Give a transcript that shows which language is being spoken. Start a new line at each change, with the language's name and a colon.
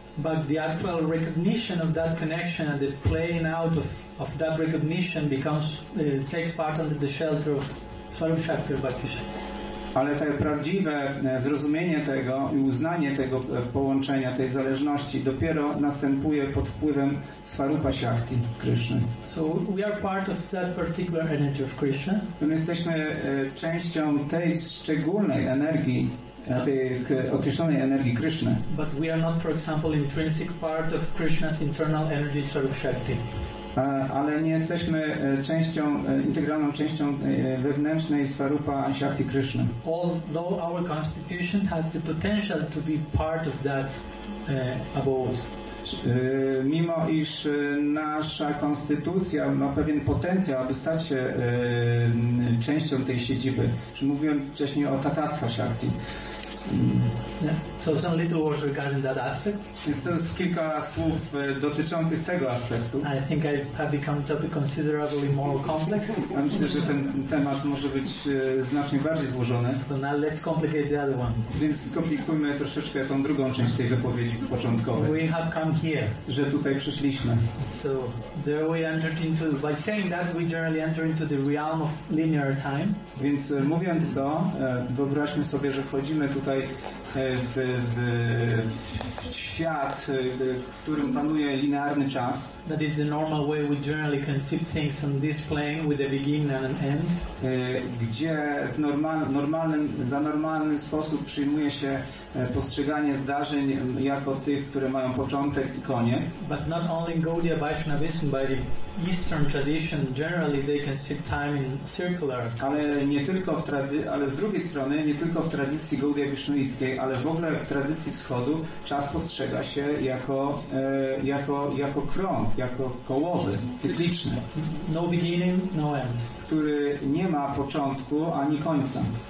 English: But the actual recognition of that connection and the playing out of that recognition takes part under the shelter of Swarupa Shakti Bhakti.
Polish: ale to prawdziwe zrozumienie tego i uznanie tego połączenia, tej zależności dopiero następuje pod wpływem Swarupa Shakti Krishna.
English: So we are part of that particular energy of Krishna.
Polish: My jesteśmy częścią tej szczególnej energii, tej określonej energii Krishna.
English: But we are not, for example, intrinsic part of Krishna's internal energy Swarupa Shakti.
Polish: Ale nie jesteśmy częścią, integralną częścią wewnętrznej Swarupa Shakti Krishna.
English: Although our constitution has the potential to be part of that abode.
Polish: Mimo iż nasza konstytucja ma pewien potencjał, aby stać się częścią tej siedziby. Mówiłem wcześniej o Tatastha Shakti.
English: Yeah. So some little words regarding that aspect.
Polish: Jest to kilka słów dotyczących tego aspektu.
English: I think I have become to be considerably more complex.
Polish: Ja myślę, że ten temat może być znacznie bardziej złożony.
English: So now let's complicate the other one.
Polish: Więc skomplikujmy troszeczkę tą drugą część tej wypowiedzi początkowej.
English: We have come here.
Polish: Że tutaj przyszliśmy.
English: So there we entered into, by saying that we generally enter into the realm of linear time.
Polish: Więc mówiąc to, wyobraźmy sobie, że wchodzimy tutaj w świat, w którym panuje linearny czas.
English: That is the normal way we generally conceive things on this plane with a beginning and an end.
Polish: Gdzie w normalny sposób przyjmuje się postrzeganie zdarzeń jako tych, które mają początek i koniec.
English: But not only Gaudiya Vaishnavism, by the Eastern tradition generally they conceive time in circular.
Polish: Ale nie tylko w ale z drugiej strony nie tylko w tradycji Gaudiya Vaishnavickiej, ale w ogóle w tradycji wschodu czas postrzega się jako krąg, jako kołowy, cykliczny.
English: No beginning, no end.
Polish: Który nie ma początku ani końca.